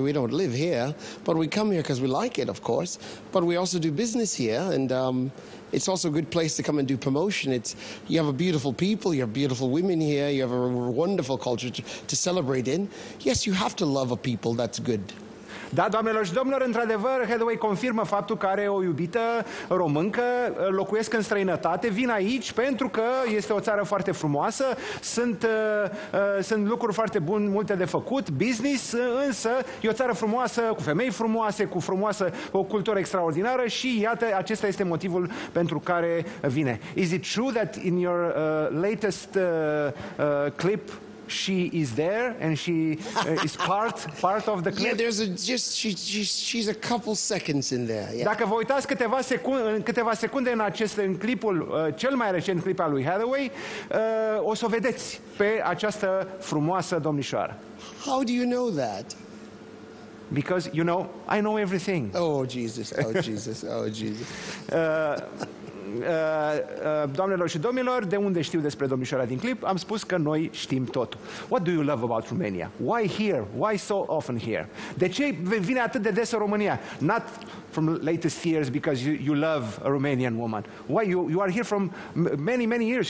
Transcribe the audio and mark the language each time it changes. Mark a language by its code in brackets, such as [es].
[en] We don't live here, but we come here because we like it, of course. But we also do business here, and it's also a good place to come and do promotion. You have a beautiful people, you have beautiful women here, you have a wonderful culture to celebrate in. Yes, you have to love a people, that's good. [ro] Da, doamnelor și domnilor, într-adevăr, Hathaway confirmă faptul că are o iubită româncă, locuiesc în străinătate, vin aici pentru că este o țară foarte frumoasă, sunt lucruri foarte bune, multe de făcut, business, însă e o țară frumoasă, cu femei frumoase, cu frumoasă, o cultură extraordinară și iată, acesta este motivul pentru care vine. [en] Is it true that in your latest clip she is there and she is part of the clip. Yeah, there's she's a couple seconds in there. Yeah. [ro] Dacă vă uitați câteva secunde în acest în clipul cel mai recent clip al lui Hathaway, o să o vedeți pe această frumoasă domnișoară. [en] How do you know that? Because you know, I know everything. Oh Jesus. [ro] Doamnelor și domnilor, de unde știu despre domnișoara din clip? Am spus că noi știm totul. [en] What do you love about Romania? Why here? Why so often here? [ro] De ce vine atât de des în România? [en] Not from latest years because you love a Romanian woman. Why you are here from many many years?